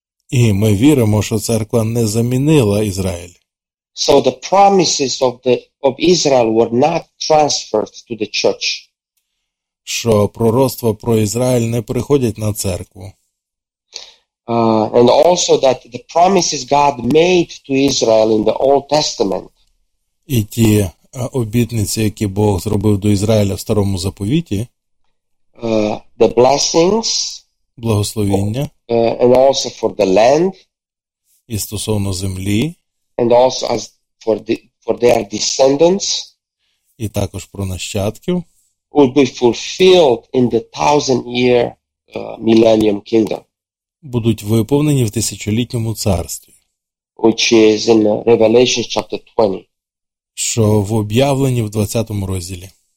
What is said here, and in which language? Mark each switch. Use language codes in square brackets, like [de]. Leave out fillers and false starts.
[uk] І ми віримо, що церква не замінила Ізраїль. [en] So the promises of Israel were not transferred to the church. [uk] Що пророцтва про Ізраїль не приходять на церкву. [en] And also that the promises God made to Israel in the Old Testament. [uk] І ті обітниці, які Бог зробив до Ізраїля в старому заповіті. [en] The blessings. [uk] Благословіння. [en] And also for the land. [uk] І стосовно землі. [en] And also as for their descendants. [uk] І також про нащадків. [en] Will be fulfilled in the 1,000-year millennium kingdom. [uk] Будуть виповнені в тисячолітньому царстві. [en] Which is in Revelation chapter 20. [uk] Що в об'явленні в 20-му розділі.